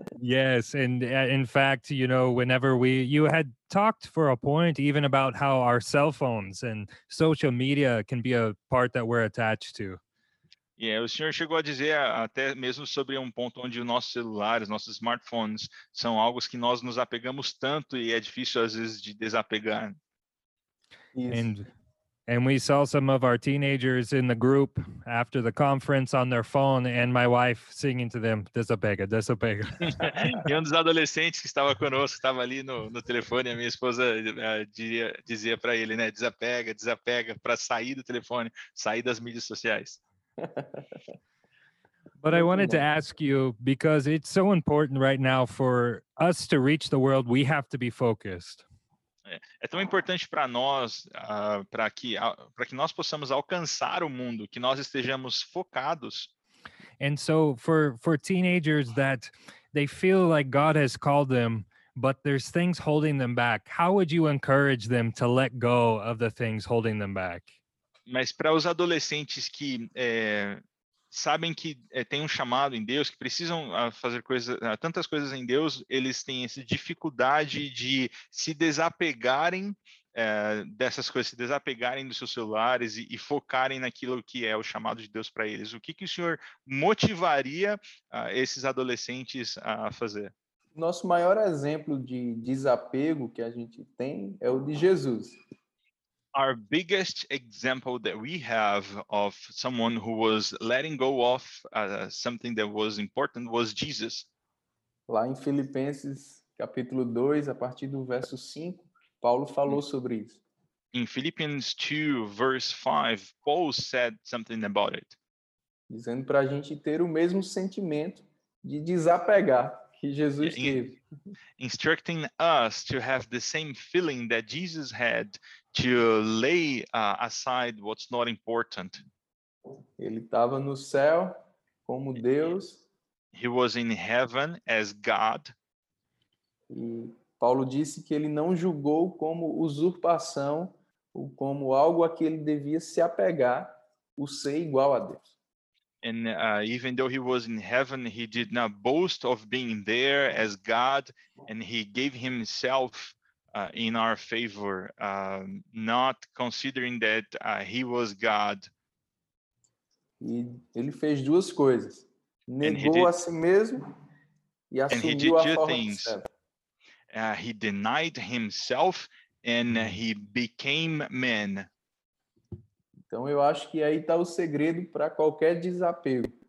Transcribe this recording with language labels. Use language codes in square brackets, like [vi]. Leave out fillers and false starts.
[en] Yes, and in fact, you know, whenever you had talked for a point even about how our cell phones and social media can be a part that we're attached to. [pt] Yeah, o senhor chegou a dizer até mesmo sobre um ponto onde os nossos celulares, nossos smartphones são algo que nós nos apegamos tanto e é difícil às vezes de desapegar. [en] And we saw some of our teenagers in the group after the conference on their phone, and my wife singing to them, [pt] "Desapega, desapega." E um dos adolescentes que estava conosco estava ali no telefone, a minha esposa dizia para ele, né, "Desapega, desapega," para sair do telefone, sair das mídias sociais. [en] But I wanted to ask you, because it's so important right now for us to reach the world, we have to be focused. [pt] É tão importante para nós, para que nós possamos alcançar o mundo, que nós estejamos focados. [en] And so for teenagers that they feel like God has called them, but there's things holding them back, how would you encourage them to let go of the things holding them back? [pt] Mas para os adolescentes que sabem que tem um chamado em Deus, que precisam fazer tantas coisas em Deus, eles têm essa dificuldade de se desapegarem dessas coisas, se desapegarem dos seus celulares e focarem naquilo que é o chamado de Deus para eles. O que o senhor motivaria esses adolescentes a fazer? Nosso maior exemplo de desapego que a gente tem é o de Jesus. [en] Our biggest example that we have of someone who was letting go of something that was important was Jesus. [pt] Lá em Filipenses, capítulo 2, a partir do verso 5, Paulo falou sobre isso. [en] In Philippians 2, verse 5, Paul said something about it. [pt] Dizendo para a gente ter o mesmo sentimento de desapegar que Jesus teve. [en] Instructing us to have the same feeling that Jesus had, to lay aside what's not important. [pt] Ele estava no céu como Deus. [en] He was in heaven as God. [pt] E Paulo disse que ele não julgou como usurpação ou como algo a que ele devia se apegar, o ser igual a Deus. [en] And even though he was in heaven, he did not boast of being there as God, and he gave himself in our favor, not considering that he was God. [pt] E ele fez duas coisas. Negou a si mesmo e assumiu a forma de servo. [en] He denied himself and he became man. [pt] Então eu acho que aí está o segredo para qualquer desapego.